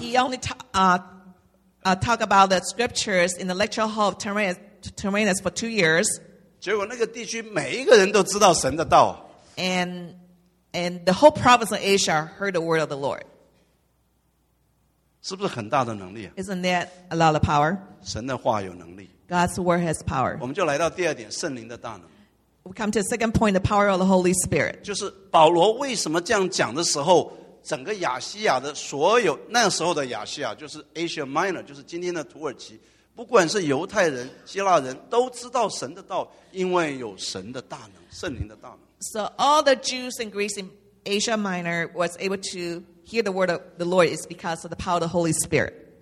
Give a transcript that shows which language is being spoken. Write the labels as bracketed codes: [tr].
[en] He only talk about the scriptures in the lecture hall of Tyrannus for 2 years. [zh] 结果那个地区每一个人都知道神的道。 [en] And the whole province of Asia heard the word of the Lord. [zh] 是不是很大的能力? [en] Isn't that a lot of power? [zh] 神的话有能力。 [en] God's word has power. [zh] 我们就来到第二点, 圣灵的大能。 [en] We come to the second point, the power of the Holy Spirit. [zh] 就是保罗为什么这样讲的时候, 整个亚西亚的所有, 那时候的亚西亚, 就是 Asia Minor, 就是今天的土耳其, 不管是犹太人, 希腊人, 都知道神的道, 因为有神的大能, 圣灵的大能。 [en] So all the Jews and Greeks in Asia Minor was able to hear the word of the Lord is because of the power of the Holy Spirit.